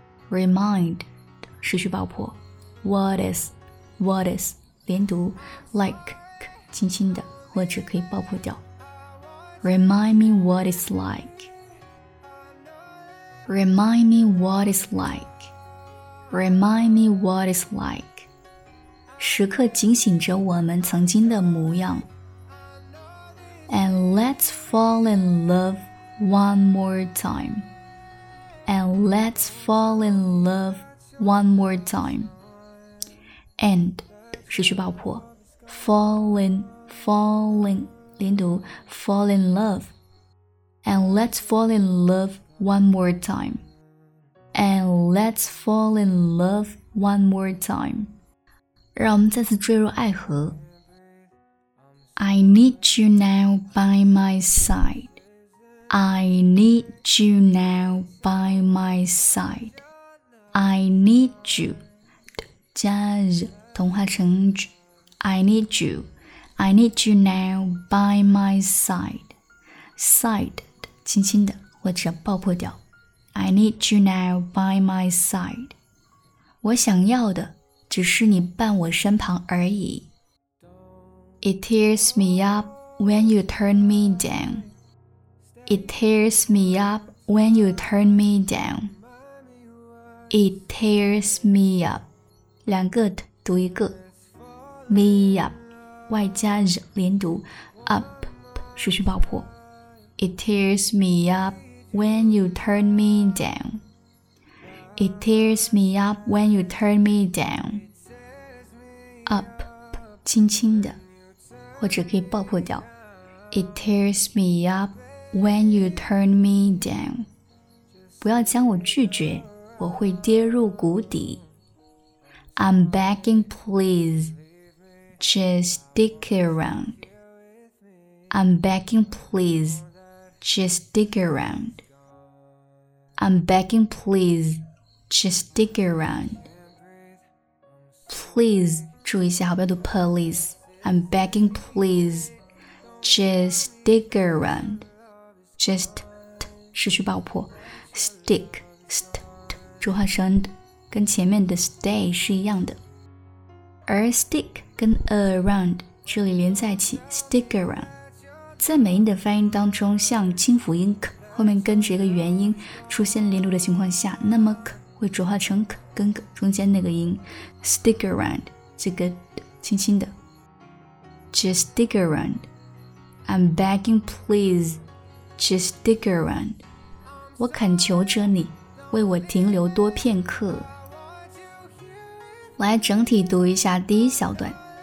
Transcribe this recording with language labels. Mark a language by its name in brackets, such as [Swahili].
[Chinese] Remind, 失去爆破。 [English] What is, [Chinese] 连读 like, 轻轻的，或者可以爆破掉。 [English] Remind me what it's like. Remind me what it's like. Remind me what it's like. [Chinese] 时刻警醒着我们曾经的模样。 [English] And let's fall in love one more time. And let's fall in love one more time. [Chinese] And, 失去爆破。 [English] Falling, 连读 fall in love. And let's fall in love one more time. And let's fall in love one more time. [Chinese] 让我们再次坠入爱河。 [English] I need you now by my side. I need you now by my side. I need you. [Chinese] 加日同化成 j. [English] I need you. I need you now by my side. Side, [Chinese] 轻轻的或者爆破掉。 [English] I need you now by my side. [Chinese] 我想要的只是你伴我身旁而已。 [English] It tears me up when you turn me down. It tears me up when you turn me down. It tears me up. [Chinese] 两个 t 读一个。 [English] Me up. [Chinese] 外加 z 连读。Up. 失去爆破。 [English] It tears me up when you turn me down. It tears me up when you turn me down. [Chinese] Up. 轻轻的。或者可以爆破掉。 [English] It tears me up when you turn me down. [Chinese] 不要将我拒绝，我会跌入谷底。 [English] I'm begging, please, just stick around. I'm begging, please, just stick around. I'm begging, please, just stick around. [Chinese] Please, 注意一下，好不要读 please. [English] I'm begging, please, just stick around. Just, t, [Chinese] 失去爆破。 Stick, st, t, 浊化声 d, 跟前面的 stay 是一样的。而 stick 跟 around 这里连在一起 , [English] stick around. [Chinese] 在美音的发音当中，像轻辅音 k, 后面跟着一个元音出现连读的情况下，那么 k 会浊化成 k, 跟 k 中间那个音 , [English] stick around, [Chinese] 这个 t, 轻轻的。 [English] Just stick around, I'm begging please, just stick around. [Chinese] 我恳求着你，为我停留多片刻。来整体读一下第一小段。